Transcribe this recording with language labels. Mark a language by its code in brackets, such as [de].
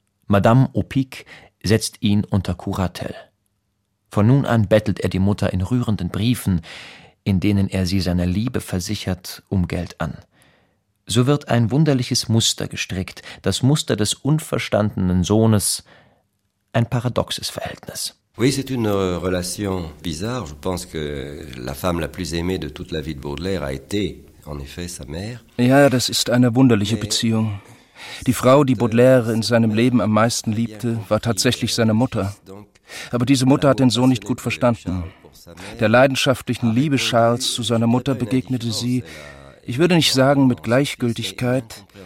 [de] Madame Oupique setzt ihn unter Kuratelle. Von nun an bettelt er die Mutter in rührenden Briefen, in denen er sie seiner Liebe versichert, um Geld an. So wird ein wunderliches Muster gestrickt, das Muster des unverstandenen Sohnes, ein paradoxes Verhältnis. [fr] Oui, c'est une relation bizarre. Je pense que la femme la plus aimée de toute la vie de Baudelaire a été, en effet, sa mère. [de] Ja, das ist eine wunderliche Beziehung. Die Frau, die Baudelaire in seinem Leben am meisten liebte, war tatsächlich seine Mutter. Aber diese Mutter hat den Sohn nicht gut verstanden. Der leidenschaftlichen Liebe Charles zu seiner Mutter begegnete sie, ich würde nicht sagen mit Gleichgültigkeit.